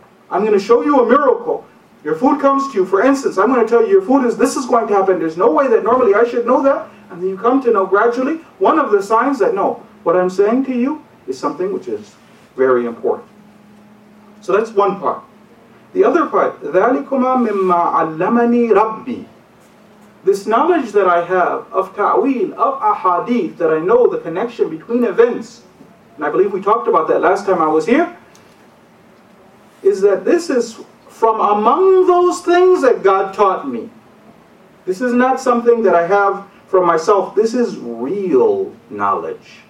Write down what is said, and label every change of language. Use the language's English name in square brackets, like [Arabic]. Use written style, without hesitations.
[English] I'm going to show you a miracle. Your food comes to you. For instance, I'm going to tell you your food is, this is going to happen. There's no way that normally I should know that. And then you come to know gradually one of the signs that, no, what I'm saying to you is something which is very important. So that's one part. The other part, [Arabic] ذَلِكُمَا مِمَّا عَلَّمَنِي رَبِّي. [English] This knowledge that I have of ta'wil, of ahadith, that I know the connection between events, and I believe we talked about that last time I was here, is that this is from among those things that God taught me. This is not something that I have from myself. This is real knowledge.